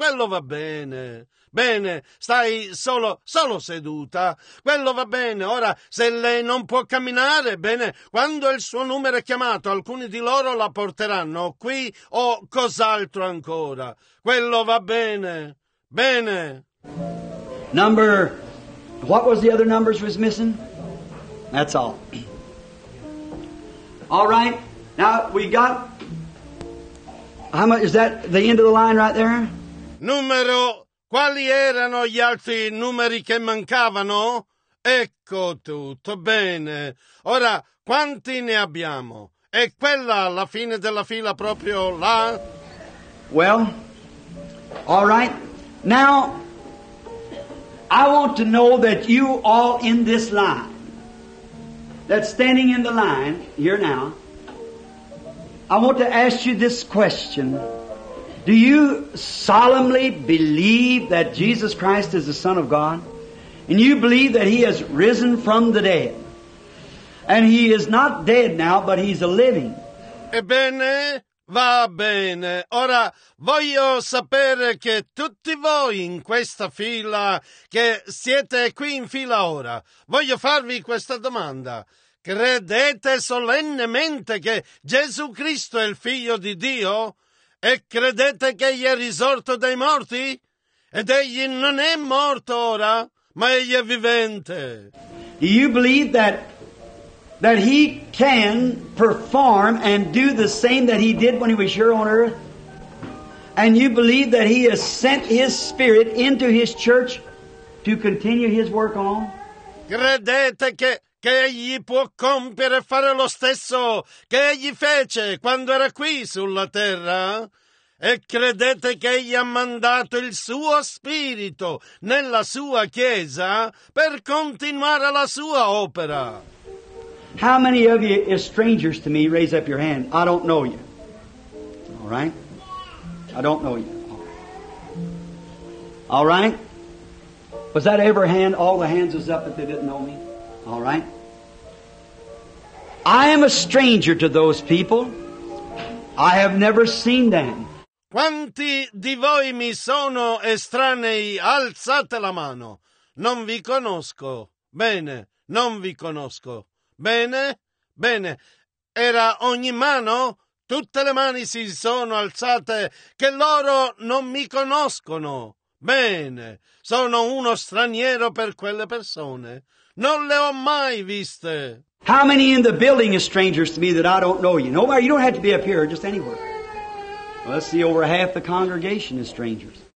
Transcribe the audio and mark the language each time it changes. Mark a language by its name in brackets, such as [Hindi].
[Italian] Quello va bene. Bene, stai solo seduta. Quello va bene. Ora, se lei non può camminare, bene, quando il suo numero è chiamato, alcuni di loro la porteranno qui o cos'altro ancora. Quello va bene. Bene. [English] Number, what was the other numbers was missing? That's all. All right. Now, we got, how much, is that the end of the line right there? [Italian] Numero... Quali erano gli altri numeri che mancavano? Ecco tutto, bene. Ora, quanti ne abbiamo? È quella la fine della fila proprio là? [English] Well, all right. Now, I want to know that you all in this line, that's standing in the line here now, I want to ask you this question. Do you solemnly believe that Jesus Christ is the Son of God? And you believe that He has risen from the dead? And He is not dead now, but He's a living. [Italian] Ebbene, va bene. Ora, voglio sapere che tutti voi in questa fila, che siete qui in fila ora, voglio farvi questa domanda. Credete solennemente che Gesù Cristo è il Figlio di Dio? E credete che egli è risorto dai morti? Ed egli non è morto ora, ma egli è vivente. [English] Do you believe that he can perform and do the same that he did when he was here on earth? And you believe that he has sent his spirit into his church to continue his work on? [Italian] Credete che egli può compiere e fare lo stesso che egli fece quando era qui sulla terra? E credete che egli ha mandato il suo spirito nella sua chiesa per continuare la sua opera? [English] How many of you are strangers to me? Raise up your hand. I don't know you. All right? I don't know you. All right? Was that every hand? All the hands was up if they didn't know me? All right? I am a stranger to those people. I have never seen them. [Italian] Quanti di voi mi sono estranei? Alzate la mano. Non vi conosco. Bene, non vi conosco. Bene, bene. Era ogni mano? Tutte le mani si sono alzate che loro non mi conoscono. Bene, sono uno straniero per quelle persone. Non le ho mai viste. [English] How many in the building is strangers to me that I don't know you? Nobody, you don't have to be up here, just anywhere. Well, let's see, over half the congregation is strangers.